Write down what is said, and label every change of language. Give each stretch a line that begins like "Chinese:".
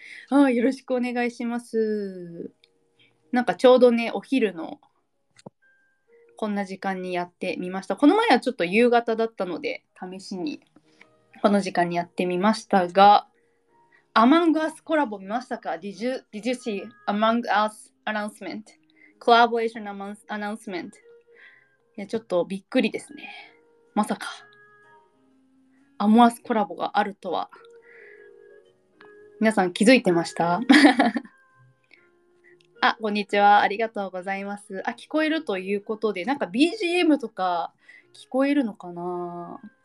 Japanese: ああ、よろしくお願いします。なんかちょうどね、お昼のこんな時間にやってみました。この前はちょっと夕方だったので試しにこの時間にやってみましたが、アマングアスコラボ見ましたか？
English: Did you see Among Us Announcement? Collaboration Announcement?
Japanese: いや、ちょっとびっくりですね。まさか、アモアスコラボがあるとは。皆さん気づいてました？あ、こんにちは。ありがとうございます。あ、聞こえるということで、なんか BGM とか聞こえるのかな？